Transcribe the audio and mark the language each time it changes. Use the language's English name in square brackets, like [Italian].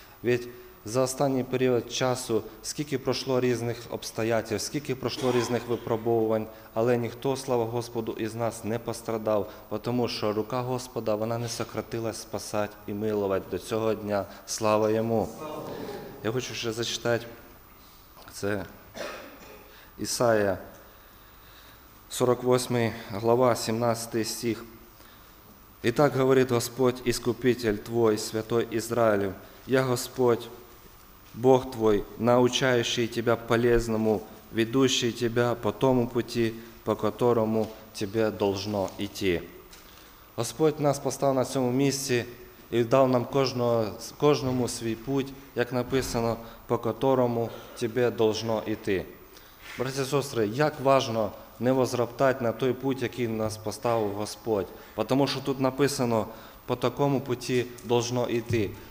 [Ukrainian] Ведь за останній період часу скільки пройшло різних обстоятельств, скільки пройшло різних випробувань, але ніхто, слава Господу, із нас не пострадав, тому що рука Господа, вона не сократилась спасати і милувати до цього дня. Слава Йому! Я хочу ще зачитати це Ісаія, 48 глава, 17 стих. [Russian] «І так говорить Господь, Іскупитель твой, Святой Ізраїлю, я Господь, Бог твой, научающий тебя полезному, ведущий тебя по тому пути, по которому тебе должно идти». [Ukrainian] Господь нас поставив на цьому місці і дав нам кожному свій путь, як написано, [Russian] по которому тебе должно [Ukrainian] йти. Браті і сестри, як важно не возроптати на той путь, який нас поставив Господь. Тому що тут написано, [Russian] по такому пути должно [Ukrainian] йти.